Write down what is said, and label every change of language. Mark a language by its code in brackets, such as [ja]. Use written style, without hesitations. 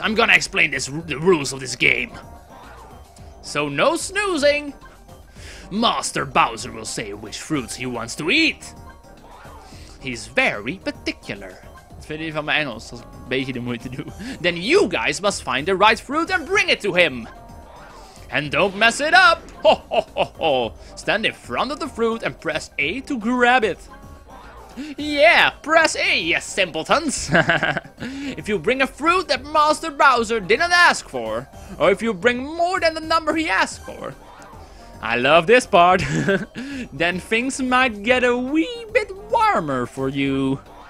[en] I'm gonna explain the rules of this game. So no snoozing. Master Bowser will say which fruits he wants to eat. He's very particular. [nl] Vind je van mijn Engels, dat is een beetje de moeite doen. [en] Then you guys must find the right fruit and bring it to him. And don't mess it up! Ho ho ho ho! Stand in front of the fruit and press A to grab it. Yeah, press A, you simpletons! If you bring a fruit that Master Bowser didn't ask for, or if you bring more than the number he asked for, I love this part, then things might get a wee bit warmer for you.